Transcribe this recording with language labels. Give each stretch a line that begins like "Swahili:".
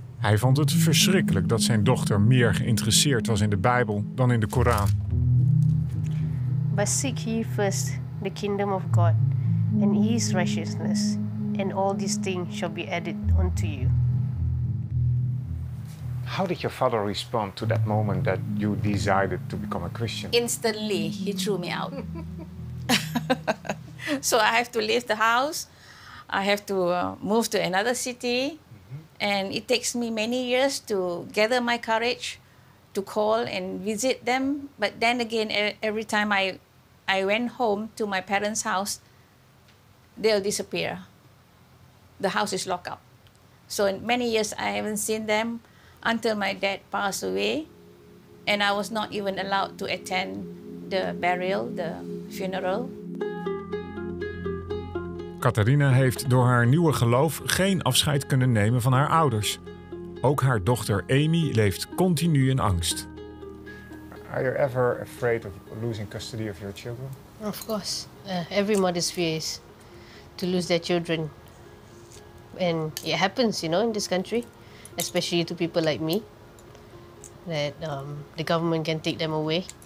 Dutch: Hij vond het verschrikkelijk dat zijn dochter meer geïnteresseerd was in de Bijbel dan in de Koran.
English: But seek ye first the kingdom of God and his righteousness, and all these things shall be added unto you. How did your father respond to that moment that you decided to become a Christian? Instantly, he threw me out. So I have to leave the house. I have to move to another city. Mm-hmm. And it takes me many years to gather my courage to call and visit them. But then again, every time I went home to my parents' house, they'll disappear. The house is locked up. So in many years, I haven't seen them. Until my dad passed away, and I was not even allowed to attend the burial, the funeral.
Dutch: Katharina heeft door haar nieuwe geloof geen afscheid kunnen nemen van haar ouders. Ook haar dochter Amy leeft continu in angst.
English: Are you ever afraid of losing custody of your children? Of course. Every mother's fear is to lose their children. And it happens, you know, in this country. Especially to people like me, that the government can take them away.